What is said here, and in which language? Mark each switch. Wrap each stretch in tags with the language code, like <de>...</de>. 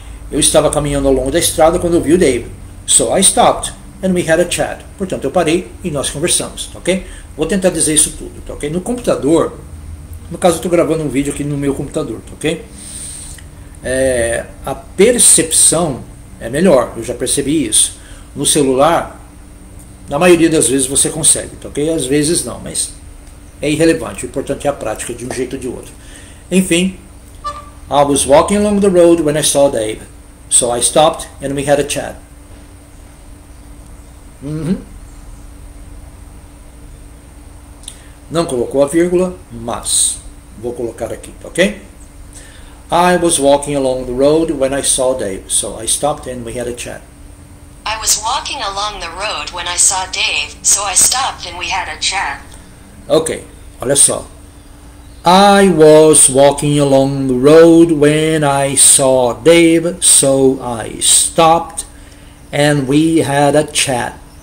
<pt>Eu estava caminhando ao longo da estrada quando eu vi o Dave.</pt> <en>So I stopped and we had a chat.</en> <pt>Portanto, eu parei e nós conversamos, ok? Vou tentar dizer isso tudo, ok? No computador, no caso eu estou gravando um vídeo aqui no meu computador, ok? A percepção é melhor, eu já percebi isso. No celular, na maioria das vezes você consegue, ok? Às vezes não, mas é irrelevante, o importante é a prática de um jeito ou de outro.</pt> <en>Enfim, I was walking along the road when I saw Dave. So I stopped and we had a chat. Uhum.</en> <pt>Não colocou a vírgula, mas vou colocar aqui, ok?</pt> <en>I was walking along the road when I saw Dave. So I stopped and we had a chat. I was walking along the road when I saw Dave. So I stopped and we had a chat. Ok.</en> <pt>Olha só,</pt> <en>I was walking along the road when I saw Dave, so I stopped and we had a chat.</en>